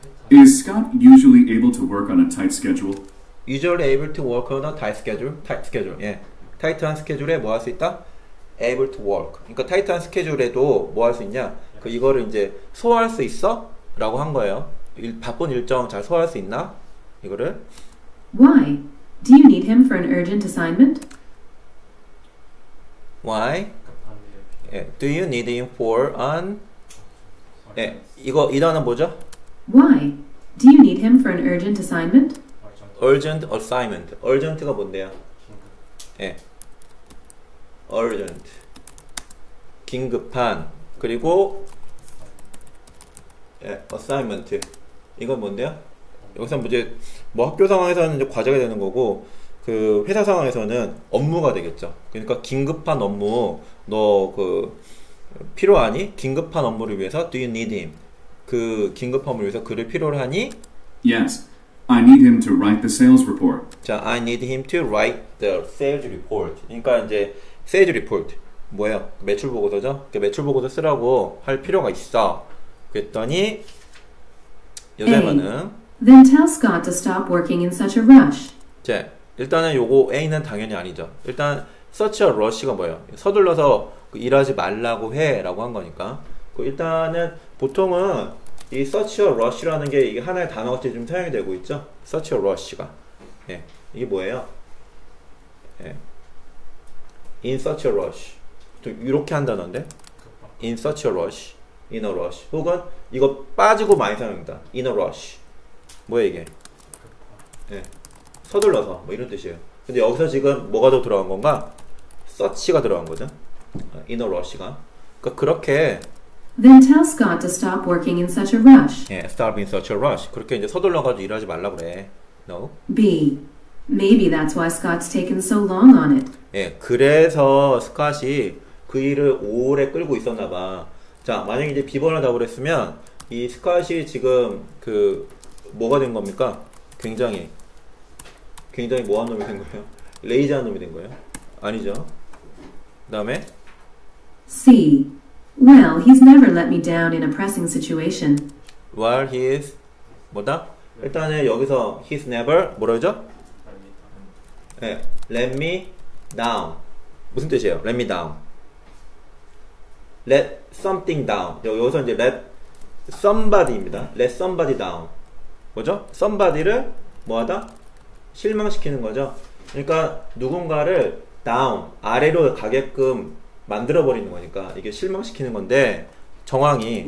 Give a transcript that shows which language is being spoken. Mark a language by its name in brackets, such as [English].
[English] Is Scott usually able to work on a tight schedule? Usually able to work on a tight schedule. Tight schedule. 예. [Korean] 타이트한 스케줄에 뭐 할 수 있다? [English] Able to work. [Korean] 그러니까 타이트한 스케줄에도 뭐 할 수 있냐? 그 이거를 이제 소화할 수 있어? 라고 한 거예요. 바쁜 일정 잘 소화할 수 있나? 이거를 [English] Why? Do you need him for an urgent assignment? Why? 예, do you need him for an 예, [Korean] 이거 이 단어 뭐죠? [English] Why? Do you need him for an urgent assignment? Urgent assignment. [Korean] Urgent가 뭔데요? 예. Urgent. 긴급한. 그리고 예, assignment. 이건 뭔데요? 여기서 이제 뭐 학교 상황에서는 이제 과제가 되는 거고, 그 회사 상황에서는 업무가 되겠죠. 그러니까 긴급한 업무, 너 그 필요하니? 긴급한 업무를 위해서 [English] do you need him? [Korean] 그 긴급한 업무를 위해서 그를 필요로 하니? [English] Yes, I need him to write the sales report. 자, I need him to write the sales report. [Korean] 그러니까 이제 sales report 뭐예요? 매출 보고서죠. 그 매출 보고서 쓰라고 할 필요가 있어. 그랬더니 여자분은 [English] Then tell Scott to stop working in such a rush. [Korean] 자, 일단은 요거 A는 당연히 아니죠. 일단 such a rush가 뭐예요? 서둘러서 그 일하지 말라고 해라고 한 거니까. 그 일단은 보통은 이 such a rush라는 게 이게 하나의 단어같이 좀 사용이 되고 있죠. [English] such a rush가. 예. 이게 뭐예요? 예. in such a rush. [Korean] 또 이렇게 한 단어인데. [English] in such a rush. in a rush. [Korean] 혹은 이거 빠지고 많이 사용합니다. in a rush. 뭐예요 이게? 예. 서둘러서 뭐 이런 뜻이에요. 근데 여기서 지금 뭐가 더 들어간 건가? search가 들어간 거죠. in a rush가. 그러니까 그렇게 [English] Then tell Scott to stop working in such a rush. 예, stop in such a rush. [Korean] 그렇게 이제 서둘러가지고 일하지 말라 그래. [English] No. B. Maybe that's why Scott's taken so long on it. [Korean] 예, 그래서 스캇이 그 일을 오래 끌고 있었나 봐. 자, 만약에 이제 B번을 답을 했으면 이 스캇이 지금 그 뭐가 된 겁니까? 굉장히 뭐한 놈이 된 거예요? 레이지한 놈이 된 거예요? 아니죠. 그 다음에 [English] C. Well, he's never let me down in a pressing situation. Well, he's 뭐다? [Korean] 일단은 여기서 he's never 뭐라 하죠? [English] 네, let me down. [Korean] 무슨 뜻이에요? [English] let me down. let something down. [Korean] 여기서 이제 let somebody입니다. [English] let somebody down. 뭐죠? [Korean] somebody를 뭐하다? 실망시키는 거죠. 그러니까 누군가를 down, 아래로 가게끔 만들어버리는 거니까 이게 실망시키는 건데 정황이